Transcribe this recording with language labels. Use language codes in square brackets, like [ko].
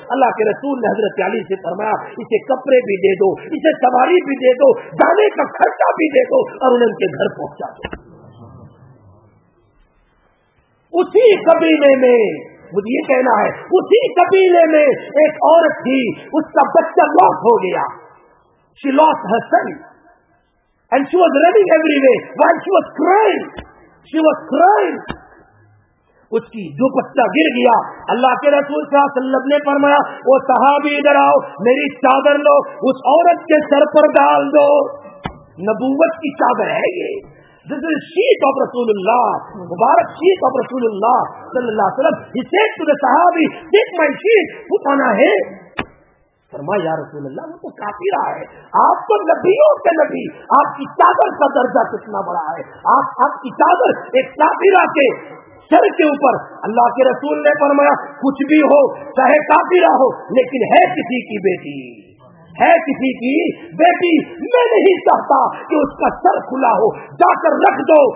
[ur] اللہ کے رسول نے حضرت علی سے فرمایا اسے کپڑے بھی دے دو، اسے سواری بھی دے دو، جانے کا خرچہ بھی دے دو اور انہیں ان کے گھر پہنچا دو. اسی قبیلے میں، مجھے یہ کہنا ہے، اسی قبیلے میں ایک عورت تھی، اس کا بچہ لوس ہو گیا. [en] She lost her son and she was running every way while she was crying. She was crying. [ur] اس کی جو بچہ گر گیا، اللہ کے رسول صلی اللہ علیہ وسلم نے فرمایا وہ صحابی ادھر آؤ، میری چادر لو، اس عورت کے سر پر ڈال دو. نبوت کی چادر ہے یہ. [en] This is sheet of Rasulullah. Mubarak sheet of Rasulullah sallallahu alaihi wasallam. He said to the sahabi, take my sheet, put on a head. [ur] فرمایا یا رسول اللہ وہ تو کافی رہا ہے، آپ تو نبیوں کے نبی، آپ کی چادر کا درجہ کتنا بڑا ہے، آپ کی چادر ایک کافرہ کے سر کے اوپر. اللہ کے رسول نے فرمایا کچھ بھی ہو، چاہے کافرہ ہو، لیکن ہے کسی کی بیٹی، ہے کسی کی بیٹی، میں نہیں چاہتا کہ اس کا سر کھلا ہو، جا کر رکھ دو.